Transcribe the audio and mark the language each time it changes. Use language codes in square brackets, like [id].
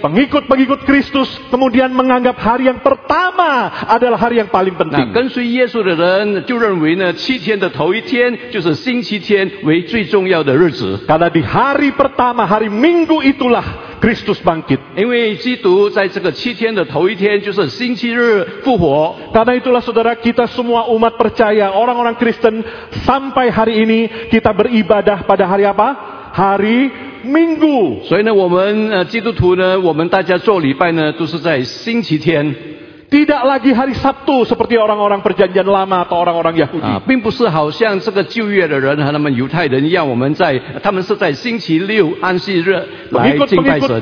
[id] Pengikut-pengikut Kristus kemudian menganggap hari yang pertama adalah hari yang paling penting. [zh] 那跟随耶稣的人就认为呢，七天的头一天就是星期天为最重要的日子。 [id] Karena di hari pertama, hari Minggu itulah Kristus bangkit. [zh] 因为基督在这个七天的头一天，就是星期日复活。 [id] Karena itulah saudara kita semua umat percaya, orang-orang Kristen sampai hari ini kita beribadah pada hari apa? Hari Minggu. [zh] 所以呢，我们基督徒呢，我们大家做礼拜呢，都是在星期天。 [id] Tidak lagi hari Sabtu seperti orang-orang perjanjian lama atau orang-orang Yahudi. [zh] 并不是好像这个旧约的人和他们犹太人一样，我们在他们是在星期六安息日来敬拜神。